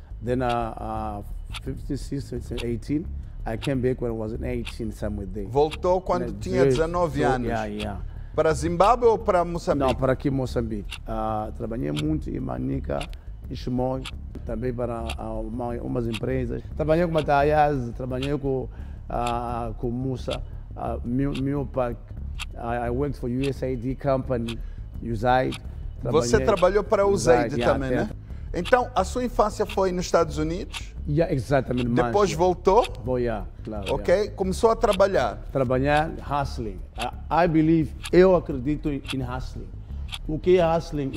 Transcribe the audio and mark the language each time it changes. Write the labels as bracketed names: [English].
[English] Then, 15, 16, 18, I came back when I was 18, somewhere there. [Portuguese] Voltou quando and tinha 19 anos? [English] Yeah. [Portuguese] Para Zimbábue ou para Moçambique? Não, para aqui, Moçambique. Trabalhei muito em Manica, em Chimoy, também para umas empresas. Trabalhei com Matayaz, trabalhei com Musa. Meu pai, [English] I worked for USAID company, USAID. [Portuguese] Você trabalhou para USAID também, né? Então, a sua infância foi nos Estados Unidos? Yeah, exatamente. Depois voltou? Claro. Ok, começou a trabalhar? Trabalhar, hustling. Eu acredito em hustling. O que é hustling?